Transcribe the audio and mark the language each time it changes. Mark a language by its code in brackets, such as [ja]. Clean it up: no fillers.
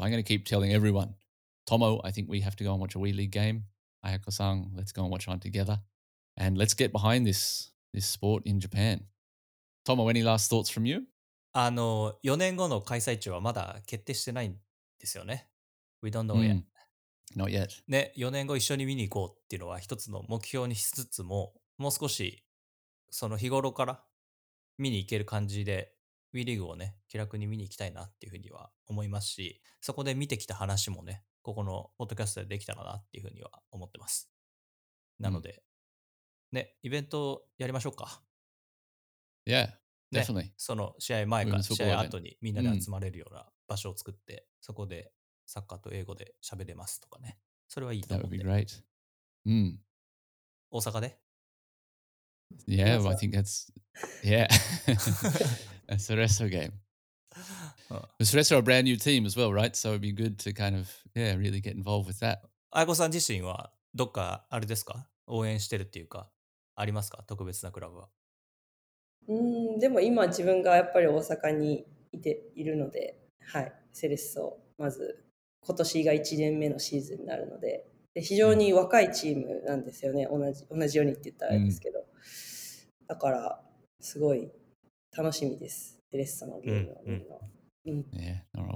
[en] I'm going to keep telling everyone, Tomo, I think we have to go and watch a Wii League game. Ayako-san, let's go and watch one together. And let's get behind this sport in Japan. Tomo, any last thoughts from you? [ja] 4年後の開催地はまだ決定してないですよね。 [en] We don't know yet. Not yet. [ja] ね、4年後一緒に見に行こうっていうのは一つの目標にしつつも、もう少しその日頃から見に行ける感じで、ウィリーグをね、気楽に見に行きたいなっていうふうには思いますし、そこで見てきた話もね、ここのポッドキャストでできたらなっていうふうには思ってます。なので、うん、ね、イベントやりましょうか。 [en] Yeah, definitely.、ね、 [ja] その試合前か試合後にみんなで集まれるような場所を作って、うん、そこでサッカーと英語で喋れますとかね。それはいいと思って。 [en] That would be great. うん。 [ja] 大阪で？ [en] Yeah, I think that's... Yeah. That's the rest of the game. The Sorreso are a brand new team as well, right? So it'd be good to kind of, yeah, really get involved with that. [ja] Ayako さん自身はどっかあれですか？応援してるっていうかありますか？特別なクラブは。うん、でも今自分がやっぱり大阪にいているので、はい、セレッソまず今年が1年目のシーズンになるの で非常に若いチームなんですよね、うん、同じようにって言ったらあれですけど、うん、だからすごい楽しみです、セレッソのゲームを見るの。